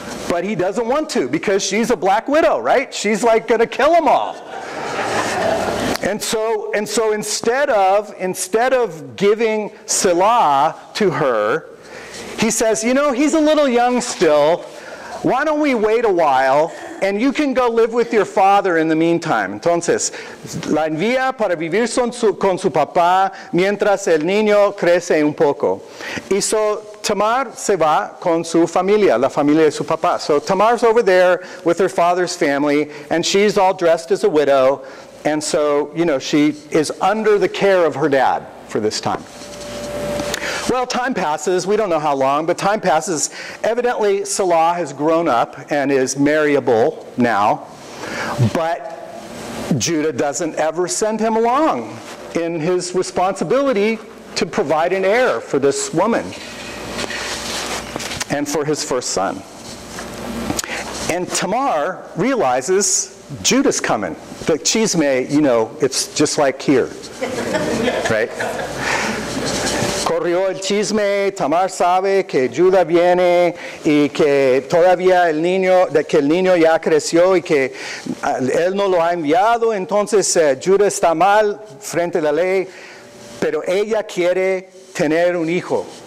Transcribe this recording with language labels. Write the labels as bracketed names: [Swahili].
[English] But he doesn't want to, because she's a black widow, right? She's like going to kill them all. And so instead of giving Shelah to her, he says, you know, he's a little young still. Why don't we wait a while, and you can go live with your father in the meantime. [Spanish] Entonces, la envía para vivir con su papá mientras el niño crece un poco. Y so Tamar se va con su familia, la familia de su papá. [English] So Tamar's over there with her father's family, and she's all dressed as a widow, and so, you know, she is under the care of her dad for this time. Well, time passes. We don't know how long, but time passes. Evidently, Shelah has grown up and is marryable now, but Judah doesn't ever send him along in his responsibility to provide an heir for this woman and for his first son. And Tamar realizes Judah's coming. The chisme, you know, it's just like here, right? [Spanish] Corrió el chisme, Tamar sabe que Judah viene y que todavía el niño, de que el niño ya creció y que él no lo ha enviado, entonces Judah está mal frente a la ley, pero ella quiere tener un hijo.